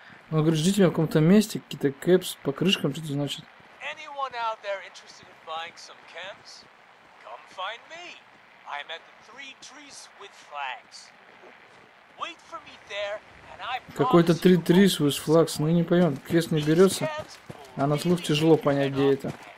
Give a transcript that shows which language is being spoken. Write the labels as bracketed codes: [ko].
[ru] Ну, говорит, ждите меня в каком-то месте, какие-то кэпс, по крышкам что-то значит. [en] Anyone out there interested in buying some camps? Come find me. I'm at the three trees with flags. Wait for me there, and I promise. [ru] Какой-то три трис [en] with flags, [ru] ну не поймем, квест не берется. А на слух тяжело понять, где это.